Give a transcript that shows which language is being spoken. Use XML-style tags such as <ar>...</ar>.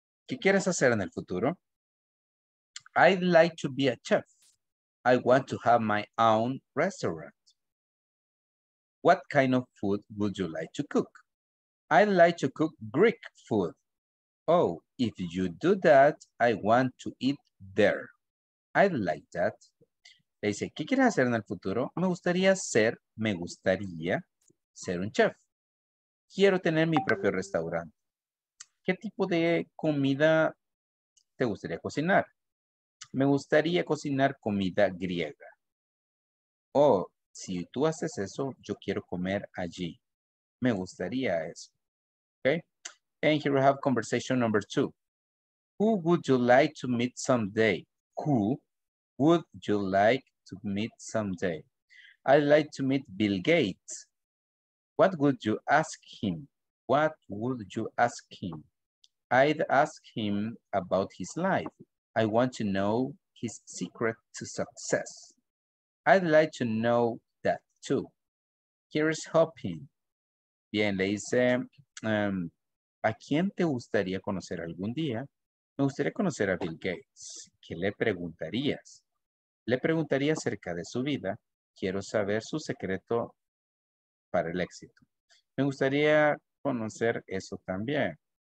<es>¿Qué quieres hacer en el futuro?</es> <en>I'd like to be a chef. I want to have my own restaurant. What kind of food would you like to cook? I'd like to cook Greek food. Oh, if you do that, I want to eat there. I'd like that.</en> <es>Le dice, ¿qué quieres hacer en el futuro? Me gustaría ser un chef. Quiero tener mi propio restaurante. ¿Qué tipo de comida te gustaría cocinar? Me gustaría cocinar comida griega. Oh, si tú haces eso, yo quiero comer allí. Me gustaría eso.</es> <en>Okay. And here we have conversation number two. Who would you like to meet someday? Who would you like to meet someday? I'd like to meet Bill Gates. What would you ask him? What would you ask him? I'd ask him about his life. I want to know his secret to success. I'd like to know two. Here's hoping.</en> <es>Bien, le dice, ¿a quién te gustaría conocer algún día? Me gustaría conocer a Bill Gates. ¿Qué le preguntarías? Le preguntaría acerca de su vida. Quiero saber su secreto para el éxito. Me gustaría conocer eso también.</es>